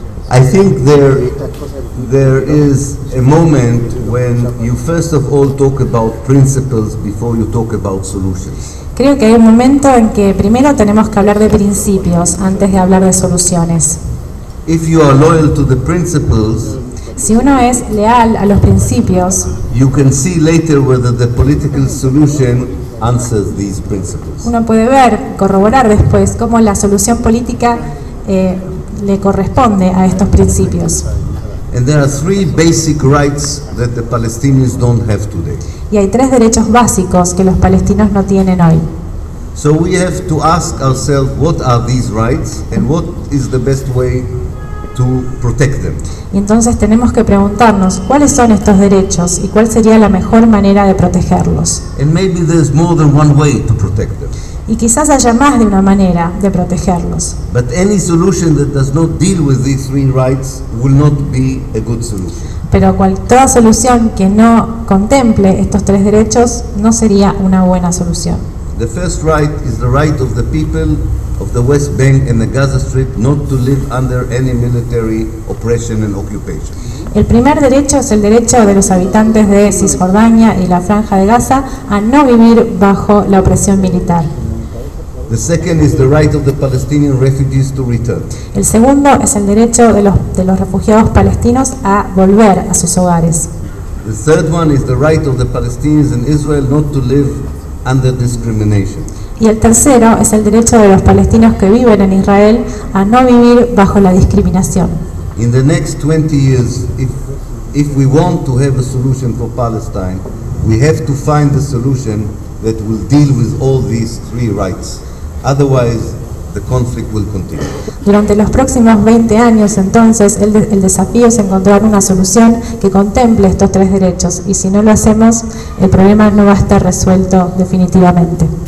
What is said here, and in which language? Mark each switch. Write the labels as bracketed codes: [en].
[en] I think there is a moment when you first of all talk about principles before you talk about solutions. [es] Creo que hay un momento en que primero tenemos que hablar de principios antes de hablar de soluciones. [en] If you are loyal to the principles, [es] si uno es leal a los principios, [en] you can see later whether the political solution answers these principles. [es] Uno puede ver, corroborar después cómo la solución política le corresponde a estos principios. [en] And there are three basic rights that the Palestinians don't have today. [es] Y hay tres derechos básicos que los palestinos no tienen hoy. [en] So we have to ask ourselves what are these rights and what is the best way to protect them. [es] Y entonces tenemos que preguntarnos cuáles son estos derechos y cuál sería la mejor manera de protegerlos. [en] And maybe there's more than one way to protect them. [es] Y quizás haya más de una manera de protegerlos. [en] But any solution that does not deal with these three rights will not be a good solution. [es] Pero toda solución que no contemple estos tres derechos no sería una buena solución. [en] The first right is the right of the people of the West Bank and the Gaza Strip not to live under any military oppression and occupation. [es] El primer derecho es el derecho de los habitantes de Cisjordania y la Franja de Gaza a no vivir bajo la opresión militar. [en] The second is the right of the Palestinian refugees to return. [es] El segundo es el derecho de los refugiados palestinos a volver a sus hogares. [en] The third one is the right of the Palestinians in Israel not to live under discrimination. [es] Y el tercero es el derecho de los palestinos que viven en Israel a no vivir bajo la discriminación. [en] In the next 20 years, if we want to have a solution for Palestine, we have to find a solution that will deal with all these three rights. Otherwise, the conflict will continue. [es] Durante los próximos 20 años, entonces, el desafío es encontrar una solución que contemple estos tres derechos. Y si no lo hacemos, el problema no va a estar resuelto definitivamente.